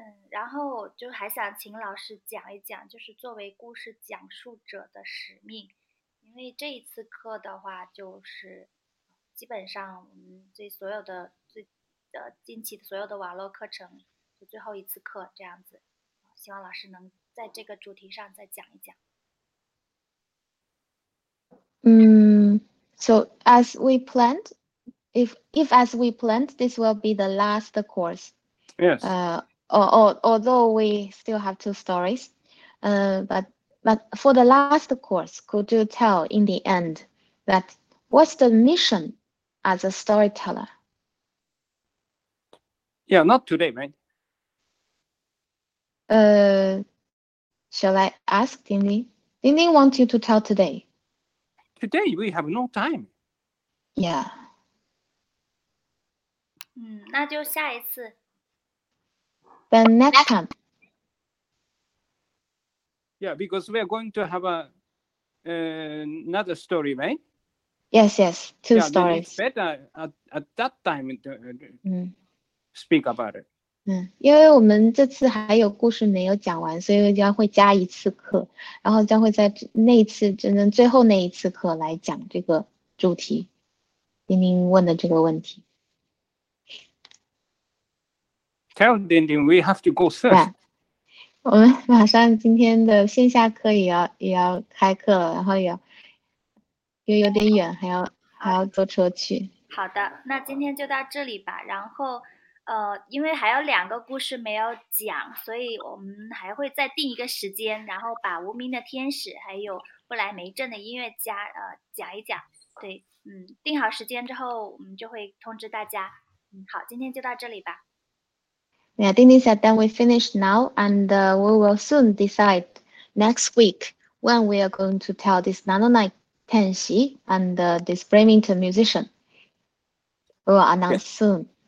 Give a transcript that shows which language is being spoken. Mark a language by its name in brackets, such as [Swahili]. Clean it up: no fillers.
[Chinese] 然后就还想请老师讲一讲，就是作为故事讲述者的使命，因为这一次课的话，就是基本上我们这所有的近期所有的网络课程就最后一次课这样子，希望老师能在这个主题上再讲一讲。 [English] So as we planned, if as we planned, this will be the last course. Yes. Although we still have two stories, but for the last course, could you tell in the end that what's the mission as a storyteller? Yeah, not today, right? Shall I ask Dingding? Dingding wants you to tell today. Today we have no time. Yeah. [Chinese] 那就下一次。 [English] Then next time. Yeah, because we are going to have another story, right? Yes, two stories. It's better at that time to speak about it. [Chinese] 因为我们这次还有故事没有讲完，所以将会加一次课，然后将会在那次真正最后那一次课来讲这个主题，丁丁问的这个问题。 [English] Tell Dingding we have to go first. Yeah. [Chinese] 我们马上今天的线下课也要开课了，然后又有点远，还要坐车去。好的，那今天就到这里吧。然后，因为还有两个故事没有讲，所以我们还会再定一个时间，然后把《无名的天使》还有《布莱梅镇的音乐家》讲一讲。对，定好时间之后，我们就会通知大家。好，今天就到这里吧。 [English] Yeah, Dingding said that we finish now and we will soon decide next week when we are going to tell this Nanonai Tenshi and this Bremington musician. We will announce soon.